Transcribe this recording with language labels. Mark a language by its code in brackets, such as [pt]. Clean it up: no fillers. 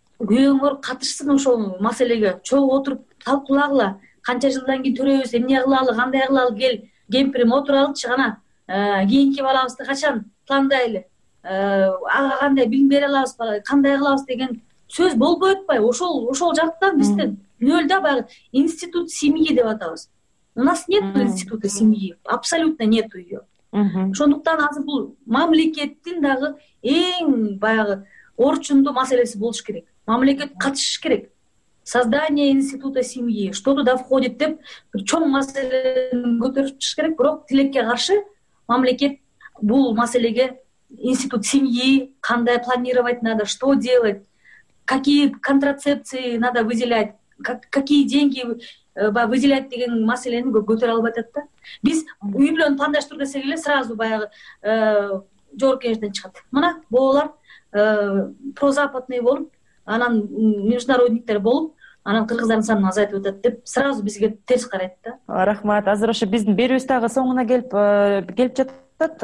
[ky] күйөөңөр катышсын ошол маселеге, чогуу отуруп талкуулагыла, канча жылдан кийин төрөбүз, эмне кылалы, кандай кылалы, кел кемпирим отуралычы, гана кийинки балабызды качан пландайлы, ага кандай билим бере алабыз, кандай кылабыз деген сөз болбойт пай. Ошол жактан биздин нөлдө баягы институт семьи деп атабыз. [ru] У нас нет института семьи, абсолютно нету ее. [ky] Ошондуктан азыр бул мамлекеттин дагы эң баягы орчундуу маселеси болуш керек. Мамлекет катышыш керек. [ru] Создание института семьи, что туда входит [ky] деп бир чоң маселени көтөрүп чыгыш керек, бирок тилекке каршы мамлекет бул маселеге институт семьи кандай [ru] планировать надо, что делать, какие контрацепции надо выделять, какие деньги [ky] баягы выделять деген маселени көтөрө албай атат да. Биз үй бүлөнү пландаштыруу десек эле сразу баягы жогорку кеңештен чыгат. Мына болор прозападный болуп, анан международниктер болуп, анан кыргыздардын санын азайтып атат деп сразу бизге терс карайт да. Рахмат. Азыр ошо биздин берүүбүз дагы соңуна келип жатат.